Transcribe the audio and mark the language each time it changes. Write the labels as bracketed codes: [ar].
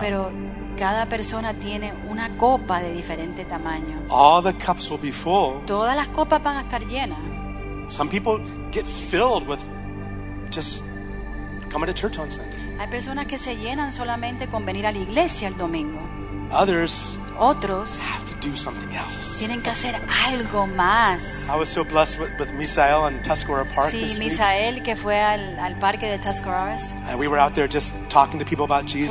[es] Pero cada persona tiene una copa de diferente tamaño. [en] All the cups will be full. [es] Todas las copas van a estar llenas. [en] Some people get filled with just coming to church on Sunday. [es] Hay personas que se llenan solamente con venir a la iglesia el domingo. [en] Others [es] otros [en] have to do something else. [es] Tienen que hacer algo más. [en] I was so blessed with Misael and Tuscarora Park [es] sí, [en] this week. [es] Sí, Misael que fue al parque de Tuscaroras. [en] And we were out there just talking to people about Jesus.